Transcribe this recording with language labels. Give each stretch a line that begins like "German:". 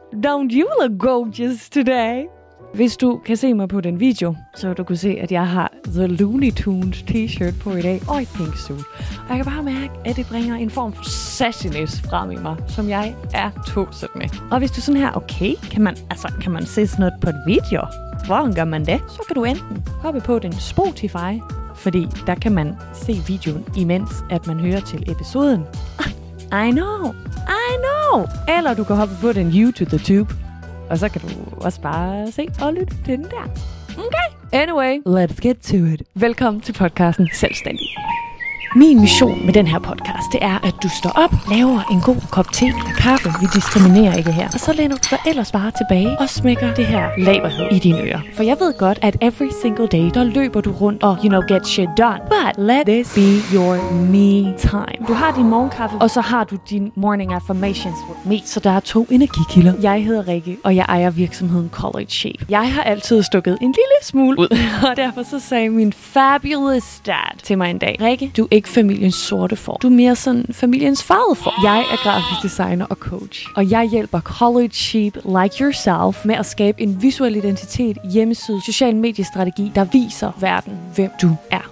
English: Don't you look gorgeous today?
Danish: Hvis du kan se mig på den video, så du kan se, at jeg har The Looney Tunes t-shirt på i dag og et pink suit. Og jeg kan bare mærke, at det bringer en form for sassiness frem i mig, som jeg er tosset med. Og hvis du sådan her, okay, kan man se sådan noget på et video? Hvordan gør man det? Så kan du enten hoppe på din Spotify, fordi der kan man se videoen imens, at man hører til episoden.
English: I know!
Danish: Eller du kan hoppe på den YouTube. Og så kan du også bare se og lytte til den der. Okay!
English: Anyway, let's get to it.
Danish: Velkommen til podcasten Selvstændig. Min mission med den her podcast, det er, at du står op, laver en god kop te eller kaffe. Vi diskriminerer ikke her. Og så lænder du dig ellers bare tilbage og smækker det her laberhed i dine ører. For jeg ved godt, at
English: every single day,
Danish: der løber du rundt og,
English: you know, get shit done. But let this be your me time.
Danish: Du har din morgenkaffe, og så har du din
English: morning affirmations with me.
Danish: Så der er to energikilder. Jeg hedder Rikke, og jeg ejer virksomheden College Shape. Jeg har altid stukket en lille smule ud. Og derfor så sagde min fabulous dad til mig en dag, Rikke, du ikke familiens sorte får. Du er mere sådan familiens farvede får. Jeg er grafisk designer og coach, og jeg hjælper
English: college sheep like yourself
Danish: med at skabe en visuel identitet, hjemmeside, social mediestrategi, der viser verden, hvem du er.